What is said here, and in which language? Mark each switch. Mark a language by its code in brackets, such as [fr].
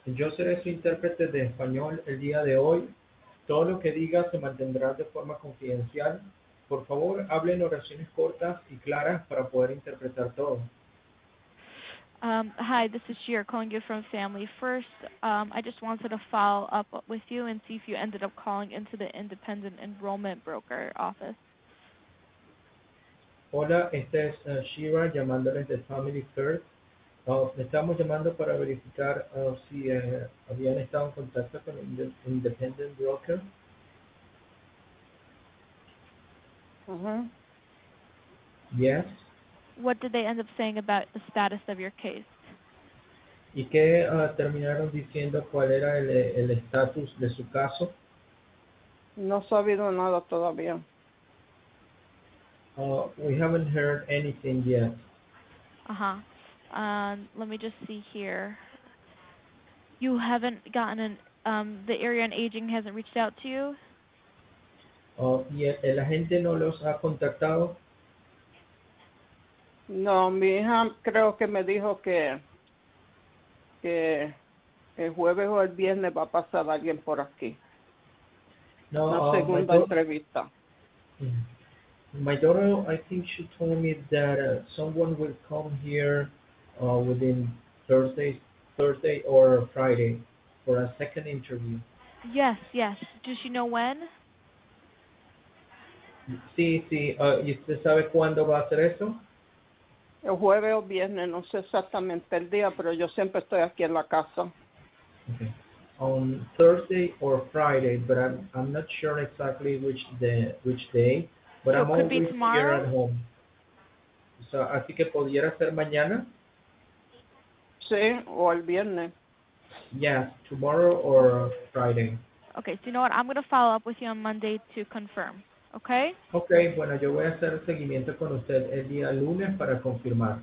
[es] Yo seré su intérprete de español el día de hoy. Todo lo que diga se mantendrá de forma confidencial. Por favor, hable en oraciones cortas y claras para poder interpretar todo. [en] Hi, this is Shir calling you from Family First. I just wanted to follow up with you and see if you ended up calling into the independent enrollment broker office. [es] Hola, este es Shira llamándoles de Family First. Estamos llamando para verificar si habían estado en contacto con el independent broker. Uh-huh. [en] Yes. What did they end up saying about the status of your case? ¿Y qué terminaron diciendo cuál era el estatus de su caso? [es] No se ha sabido nada todavía. [en] We haven't heard anything yet. Uh-huh. Let me just see here. You haven't gotten the area on aging hasn't reached out to you? [es] ¿El agente no los ha contactado? No, mi hija creo que me dijo que el jueves o el viernes va a pasar alguien por aquí. No, segunda entrevista. [en] My daughter, I think she told me that someone will come here within Thursday or Friday for a second interview. Yes, yes. Does she know when? [es] Sí, sí. ¿Y usted sabe cuándo va a ser eso? El jueves o viernes. No sé exactamente el día, pero yo siempre estoy aquí en la casa. [en] Okay. On Thursday or Friday, but I'm not sure exactly which day. But so I'm could be tomorrow. Here at home. So, [es] así que pudiera ser mañana. Sí, o el viernes. [en] Yes, tomorrow or Friday. Okay, so you know what? I'm going to follow up with you on Monday to confirm. Okay? [es] Okay, bueno, yo voy a hacer seguimiento con usted el día lunes para confirmar.